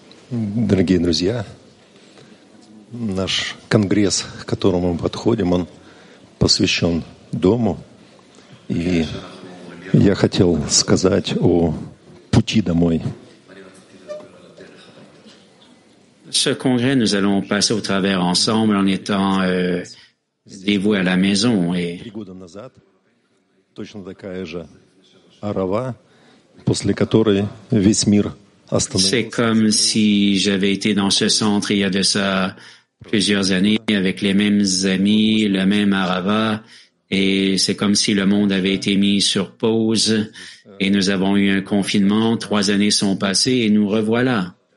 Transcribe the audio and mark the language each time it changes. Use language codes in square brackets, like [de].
[ru] Дорогие друзья, наш конгресс, к которому мы подходим, он посвящен дому. И я хотел сказать о пути домой. [fr] Ce congrès, nous allons passer au travers ensemble en étant dévoués à la maison. Et... [ru] 3 года назад точно такая же арава, после которой весь мир... [fr] C'est comme si j'avais été dans ce centre il y a de ça plusieurs années avec les mêmes amis, le même arava, et c'est comme si le monde avait été mis sur pause et nous avons eu un confinement. 3 années sont passées et nous revoilà.